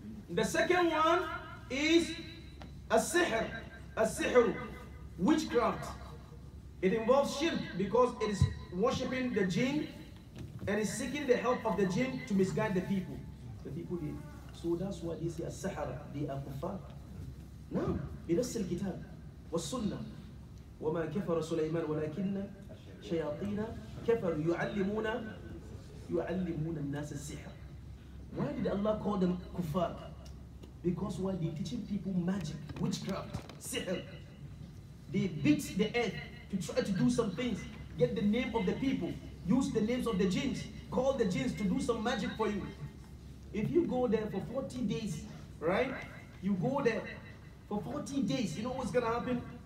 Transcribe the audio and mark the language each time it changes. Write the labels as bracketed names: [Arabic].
[English] The second one is a sihr, witchcraft. It involves shirk because it is worshipping the jinn and is seeking the help of the jinn to misguide the people. The people here. So that's why they say a sihr, they are kuffar. [Arabic] No, بنص الكتاب والسنة وما كفر سليمان ولكن شياطين كفر يعلمون يعلمون الناس السحر. [English] Why did Allah call them kuffar? Because while they're teaching people magic, witchcraft, sihr, they beat the earth to try to do some things, get the name of the people, use the names of the jinns, call the jinns to do some magic for you. If you go there for 40 days, right? You go there for 40 days, you know what's gonna happen?